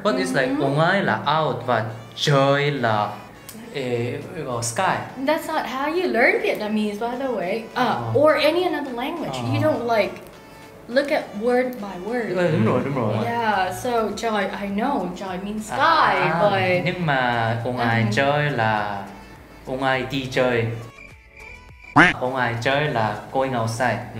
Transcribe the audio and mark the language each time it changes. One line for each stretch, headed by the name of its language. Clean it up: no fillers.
English: But it's like
Vietnamese: ngoài là out và trời là.
English: Sky. That's not how you learn Vietnamese, by the way. Or any another language. You don't like look at word by word.
Vietnamese: Đúng rồi.
English: Yeah, so trời, I know trời means sky, but
Vietnamese: nhưng mà ngoài trời là ngoài đi chơi. Ngoài trời là
English: going outside.